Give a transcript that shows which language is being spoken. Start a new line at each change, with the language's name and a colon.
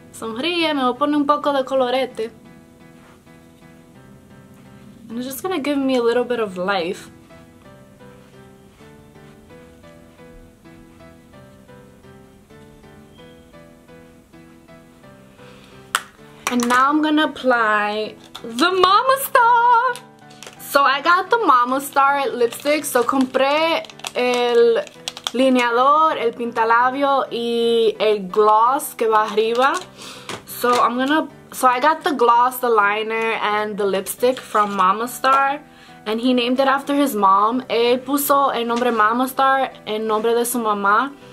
Spanish: Sonríe, me voy a poner un poco de colorete.
English: And it's just gonna give me a little bit of life. And now I'm gonna apply the Mamastarr. So I got the Mamastarr lipstick.
Spanish: So compré el lineador, el pintalabio, y el gloss que va arriba.
English: So I'm gonna, so I got the gloss, the liner, and the lipstick from Mamastarr. And he named it after his mom.
Spanish: Él puso el nombre Mamastarr en nombre de su mamá.